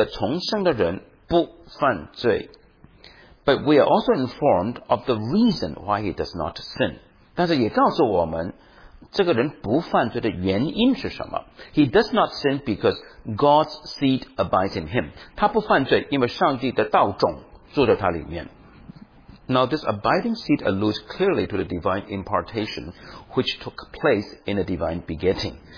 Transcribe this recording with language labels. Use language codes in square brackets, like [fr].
[zh] 三章第九节所说的不单单是说一个重生的人不犯罪, [en] but we are also informed of the reason why he does not sin. [zh] 但是也告诉我们这个人不犯罪的原因是什么? [en] He does not sin because God's seed abides in him. [zh] 他不犯罪因为上帝的道种住在他里面。 [en] Now this abiding seed alludes clearly to the divine impartation which took place in the divine begetting.